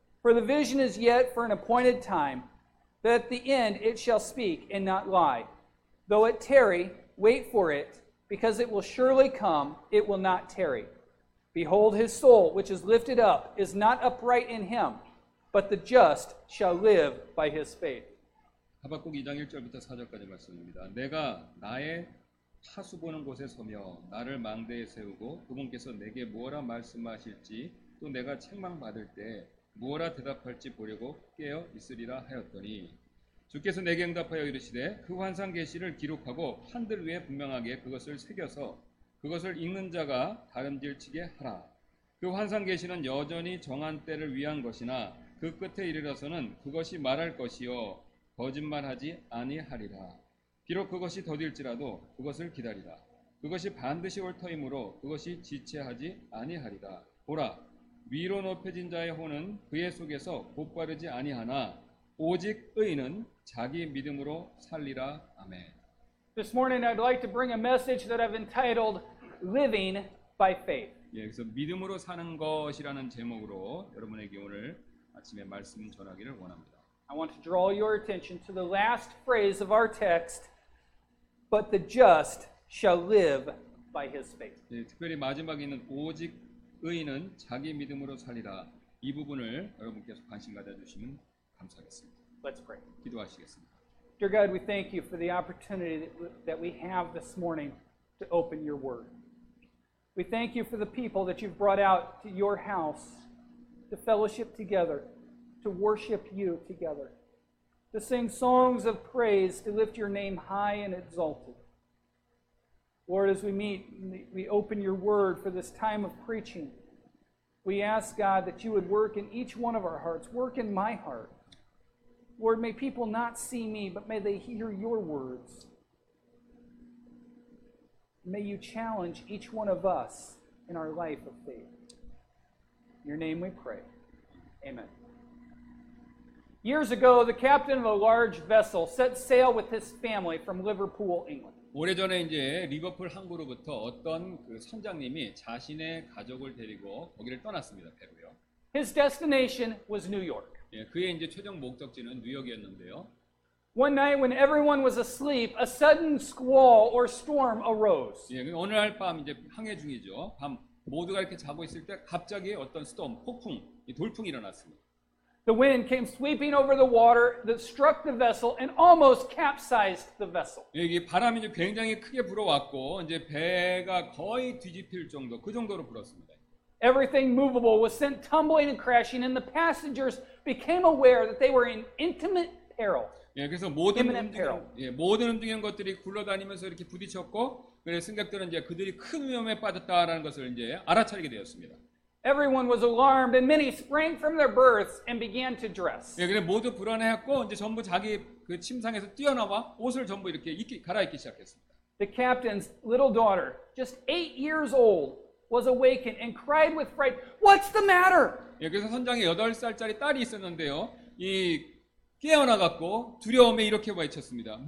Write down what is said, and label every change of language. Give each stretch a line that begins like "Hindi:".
English: For the vision is yet for an appointed time, that at the end it shall speak and not lie. Though it tarry, wait for it, because it will surely come, it will not tarry. Behold, his soul, which is lifted up, is not upright in him, but the just shall live by his faith.
Korean: 하박국 2장 1절부터 4절까지 말씀입니다. 내가 나의 파수 보는 곳에 서며 나를 망대에 세우고 그분께서 내게 무엇이라 말씀하실지 또 내가 책망받을 때 무엇이라 대답할지 보려고 깨어 있으리라 하였더니 주께서 내게 응답하여 이르시되 그 환상 계시를 기록하고 판들 위에 분명하게 그것을 새겨서 그것을 읽는 자가 다름질치게 하라. 그 환상 계시는 여전히 정한 때를 위한 것이나 그 끝에 이르러서는 그것이 말할 것이요 거짓말하지 아니하리라. 비록 그것이 더딜지라도 그것을 기다리라. 그것이 반드시 올 터이므로 그것이 지체하지 아니하리라. 보라, 위로 높여진 자의 혼은 그의 속에서 곧바르지 아니하나 오직 의인은 자기 믿음으로 살리라. 아멘.
English: This morning I'd like to bring a message that I've entitled Living by Faith.
Korean: 예, 그래서 믿음으로 사는 것이라는 제목으로 여러분에게 오늘 아침에 말씀 전하기를 원합니다.
English: I want to draw your attention to the last phrase of our text, but the just shall live by his faith.
Korean: 네, 특별히 마지막에 있는 오직 의인은 자기 믿음으로 살리라 이 부분을 여러분께서 관심 가져주시면 감사하겠습니다.
English: Let's pray.
Korean: 기도하시겠습니다.
English: Dear God, we thank you for the opportunity that we have this morning to open your word. We thank you for the people that you've brought out to your house to fellowship together. To worship you together, to sing songs of praise, to lift your name high and exalted. Lord, as we meet, we open your word for this time of preaching. We ask, God, that you would work in each one of our hearts, work in my heart. Lord, may people not see me, but may they hear your words. May you challenge each one of us in our life of faith. In your name we pray. Amen. Years ago, the captain of a large vessel set sail with his family from Liverpool, England.
Korean: 오래전에 이제 리버풀 항구로부터 어떤 그 선장님이 자신의 가족을 데리고 거기를 떠났습니다, 배로요.
English: His destination was New York.
Korean: 예, 그의 이제 최종 목적지는 뉴욕이었는데요.
English: One night when everyone was asleep, a sudden squall or storm arose.
Korean: 예, 어느 날 밤 이제 항해 중이죠. 밤 모두가 이렇게 자고 있을 때 갑자기 어떤 storm, 폭풍, 돌풍이 일어났습니다.
English: The wind came sweeping over the water that struck the vessel and almost capsized the vessel.
Korean: 이게 바람이 이제 굉장히 크게 불어왔고 이제 배가 거의 뒤집힐 정도 그 정도로 불었습니다.
English: Everything movable was sent tumbling and crashing and the passengers became aware that they were in intimate peril.
Korean: 예, 그래서 모든 움직이는 것들이 굴러다니면서 이렇게 부딪혔고 그래서 승객들은 이제 그들이 큰 위험에 빠졌다라는 것을 이제 알아차리게 되었습니다.
English: Everyone was alarmed and many sprang from their berths and began to dress.
Korean: 예, 그래서 모두 불안해했고 이제 전부 자기 그 침상에서 뛰어나와 옷을 전부 이렇게 갈아입기 시작했습니다.
English: The captain's little daughter, just 8 years old, was awakened and cried with fright, "What's the matter?"
Korean: 예, 그래서 선장의 8살짜리 딸이 있었는데요. 이 깨어나 갖고 두려움에 이렇게 외쳤습니다.